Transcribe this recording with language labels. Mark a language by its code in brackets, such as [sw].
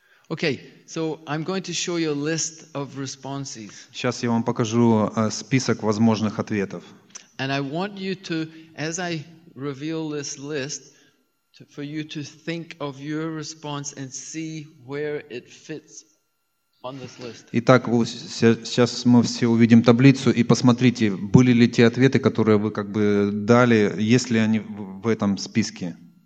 [en] Okay, so I'm going to show you a list of responses. [ru] Сейчас я вам покажу список возможных ответов. [en] And I want you to, as I reveal this list, for you to think of your response and see where it fits. [ru] Итак, сейчас мы все увидим таблицу и посмотрите, были ли те ответы, которые вы как бы дали, есть ли они в этом списке.